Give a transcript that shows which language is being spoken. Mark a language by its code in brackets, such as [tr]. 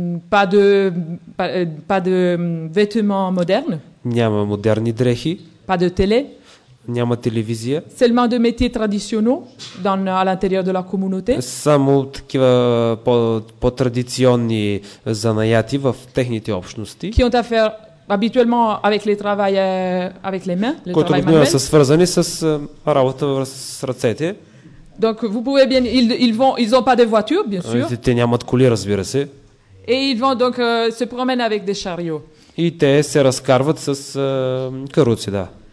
[fr] Pas de vêtements modernes. [bg] Няма модерни дрехи. [fr] Pas de télé. [bg] Няма телевизия. [fr] Seulement de métiers traditionnels dans à l'intérieur de la communauté. [bg] Само такива по-традиционни занаяти в техните общности. [fr] Qui ont à faire habituellement avec les travail avec les mains, le travail manuel. [bg] Които са свързани с работа с ръцете. [fr] Donc vous pouvez bien ils ont pas de voiture bien sûr. [bg] Те нямат коли, разбира се. [fr] Et ils vont donc se promènent avec des chariots. [bg] И те се разкарват с каруци, да.